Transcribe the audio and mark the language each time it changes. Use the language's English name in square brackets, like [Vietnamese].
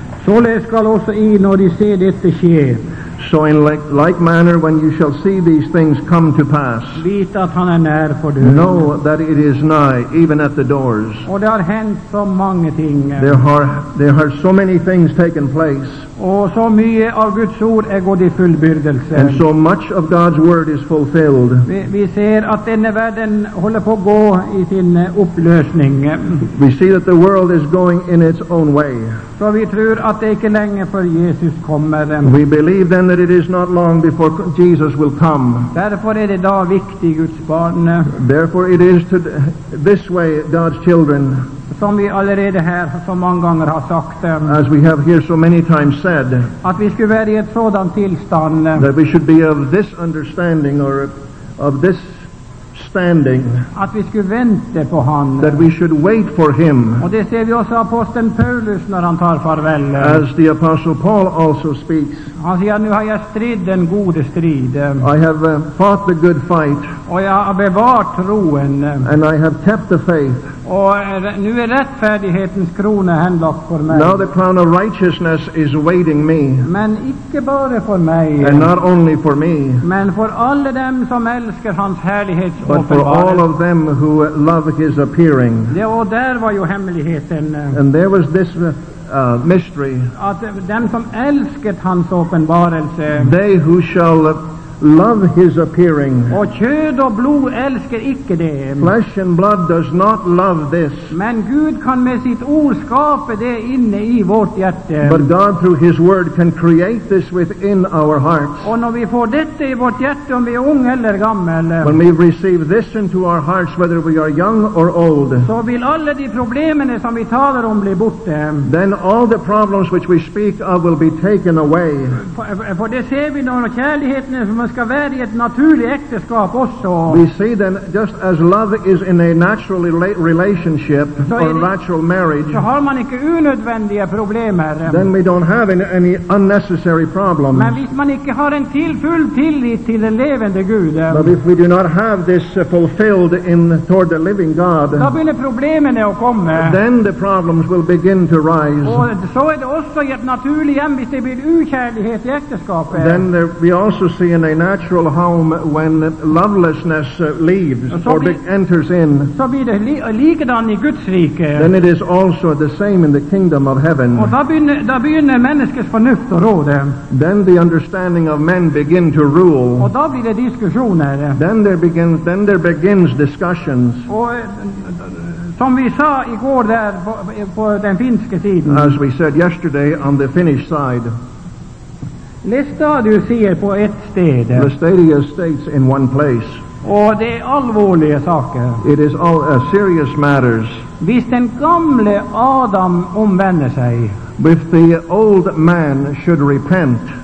[Swedish] Således skall också i när de ser detta ske. [English] So in like manner when you shall see these things come to pass. [Swedish] Vet att han är när på dörren. [English] Know that it is nigh, even at the doors. [Swedish] Och det har hänt så många ting. [English] There are so many things taken place. [Swedish] Och så mycket av Guds ord är gått i fullbyrdelse. [English] And so much of God's word is fulfilled. [Swedish] Vi ser att denna världen håller på att gå i sin upplösning. [English] We see that the world is going in its own way. [Swedish] Så vi tror att det inte länge för Jesus kommer. [English] We believe then that it is not long before Jesus will come. [Swedish] Därför är det då viktigt, Guds barn. [English] Therefore it is to this way, God's children. [Swedish] Som vi allerede här så många gånger har sagt. [English] As we have here so many times said. [Swedish] Att vi skulle vara i ett sådant tillstånd. [English] That we should be of this understanding or of this standing, [Swedish] att vi skulle vänta på han. [English] That we should wait for him. [Swedish] Och det ser vi också aposteln Paulus när han tar farväl. [English] As the apostle Paul also speaks. [Swedish] Han säger, nu har jag strid den gode strid. [English] I have fought the good fight. [Swedish] Och jag har bevarat troen. [English] And I have kept the faith. [Swedish] Och nu är rättfärdighetens krona hänlagt för mig. [English] Now the crown of righteousness is awaiting me. [Swedish] Men icke bara för mig. [English] And not only for me. [Swedish] Men för alla dem som älskar hans härlighets [English] but [Swedish] openbaren. [English] For all of them who love his appearing. [Swedish] Det, och där var ju hemligheten. [English] And there was this mystery. [Swedish] Att dem som älskar hans uppenbarelse. [English] They who shall love his appearing. [Swedish] Och kött och blod älskar icke det. [English] Flesh and blood does not love this. [Swedish] Men Gud kan med sitt ord skapa det inne i vårt hjärta. [English] But God through his word can create this within our hearts. [Swedish] Och när vi får detta i vårt hjärta, om vi är ung eller gammal. [English] When we receive this into our hearts, whether we are young or old. [Swedish] Så vill alla de problemen som vi talar om bli borta. [English] Then all the problems which we speak of will be taken away. [Swedish] För det ser vi när kärligheten är som man ska vara i ett naturligt äktenskap också. [English] We see then just as love is in a natural relationship [Swedish] så [English] or natural marriage. [Swedish] Så har man inte unödvändiga problem. [English] Then we don't have any unnecessary problems. [Swedish] Men visst man inte har en full tillit till den levande Gud. [English] But if we do not have this fulfilled in toward the living God. [Swedish] Då blir problemen att komma. [English] Then the problems will begin to rise. [Swedish] Och så är det också i ett naturligt hem visst det blir okärlighet i äktenskapet. [English] Then we also see in a natural home when lovelessness leaves [Swedish] så [English] or enters in. [Swedish] Så blir det likadan i Guds rike. [English] Then it is also the same in the kingdom of heaven. [Swedish] Och då begynner människors förnuft att råda. [English] Then the understanding of men begin to rule. [Swedish] Och då blir det diskussioner. [English] Then there begins discussions. [Swedish] Och som vi sa igår där på den finska sidan. [English] As we said yesterday on the Finnish side. [Swedish] Lestadius säger på ett ställe. [English] Lestadius states in one place. [Swedish] Och det är allvarliga saker. [English] It is all serious matters. [Swedish] Visst den gamle Adam omvänder sig. [English] If the old man should repent.